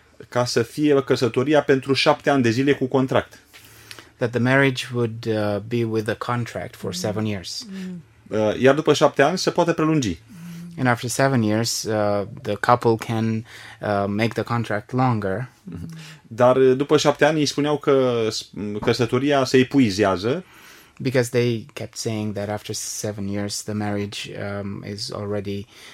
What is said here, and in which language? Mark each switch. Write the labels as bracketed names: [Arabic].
[Romanian] Ca să fie căsătoria pentru 7 ani de zile cu contract. [English] That the marriage would be with a contract for 7 years. [Romanian] Iar după 7 ani se poate prelungi. [English] And after 7 years, the couple can make the contract longer. [Romanian] Dar după 7 ani îi spuneau că căsătoria se epuizează. [English] Because they kept saying that after 7 years the marriage is already...